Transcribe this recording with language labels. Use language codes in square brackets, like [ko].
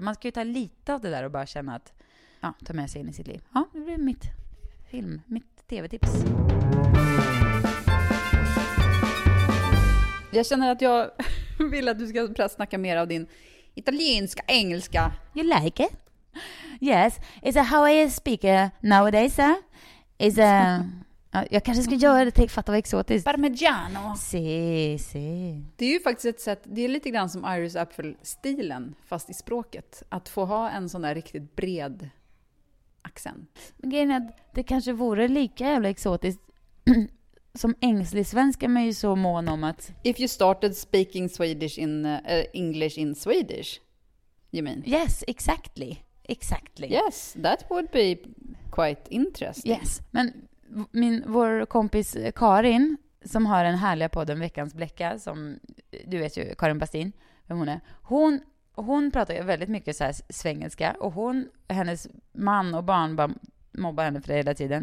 [sv] Man ska ju ta lite av det där och bara känna att, ja, ta med sig in i sitt liv. Ja, det blir mitt film, mitt tv-tips. Jag känner att jag vill att du ska snacka mer av din italienska, engelska. [en] You like it? Yes. Is it how I speak nowadays, sir? Is it... [sv] Jag kanske ska göra det till att vara exotiskt. [it] Parmigiano. Si, si. [sv] Det är ju faktiskt ett sätt, det är lite grann som Iris Apfel-stilen, fast i språket. Att få ha en sån där riktigt bred accent. Men grejen är att det kanske vore lika jävla exotiskt. Som ängslig svensk är man ju så mån om att... [en] If you started speaking Swedish in English in Swedish, you mean? Yes, exactly. Exactly. Yes, that would be quite interesting. [sv] Yes, men vår kompis Karin, som har en härliga podden Veckans Bläcka, som du vet ju, Karin Bastin, vem hon är. Hon pratar ju väldigt mycket så här svengelska, och hon, hennes man och barn bara... mobba henne för det hela tiden.